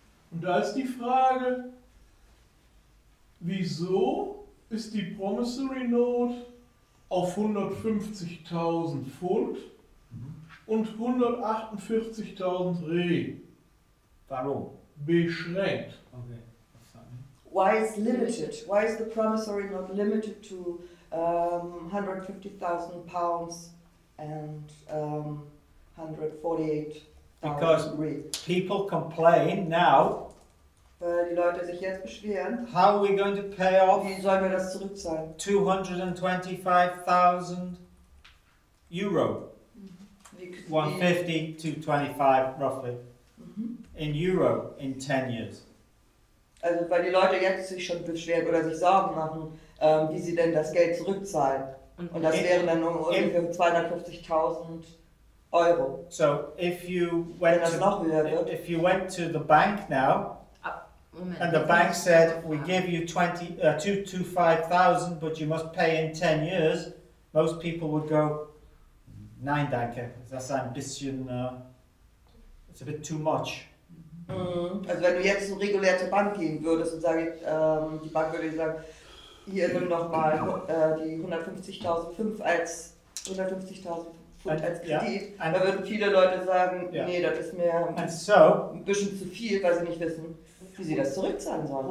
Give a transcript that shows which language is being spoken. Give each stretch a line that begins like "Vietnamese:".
German: Und da ist die Frage, wieso ist die Promissory Note auf 150.000 Pfund und 148.000 Re? Warum? Beschränkt. Okay.
English: Why is limited? Why is the promissory note limited to 150,000 pounds and 148,000 Re? Because people complain now.
German: Weil die Leute sich jetzt beschweren.
English: How are we going to pay off?
German: Wie sollen wir das zurückzahlen?
English: 225,000 Euro. Mm-hmm. 150 to 25 roughly. Mm-hmm. In Euro in 10 years.
German: Also weil die Leute jetzt sich schon beschweren oder sich Sorgen machen, wie sie denn das Geld zurückzahlen. Und das wären dann ungefähr 250.000 Euro.
English: So if you went
German: wenn das noch höher wird.
English: If you went to the bank now,
German: Moment,
English: and the bank said, we give you 225,000, but you must pay in 10 years, most people would go,
German: nein, danke,
English: that's ambition, it's a bit too much. Mhm.
German: Also wenn du jetzt so regulär zur Bank gehen würdest und sage, die Bank würde sagen, hier nimm noch mal die 150.000 als Kredit,
English: and,
German: da würden viele Leute sagen,
English: yeah,
German: nee, das ist mir so, ein bisschen zu viel, weil sie nicht wissen, wie sie das zurückzahlen sollen.